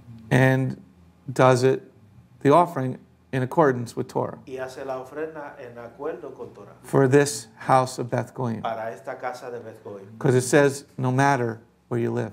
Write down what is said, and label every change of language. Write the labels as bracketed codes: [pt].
[en] And does it, the offering, in accordance with Torah. [es] Y hace la ofrenda en acuerdo con Torah. [en] For this house of Beth Goyim. [es] Para esta casa de Beth Goyim. [en] Because it says, no matter where you live.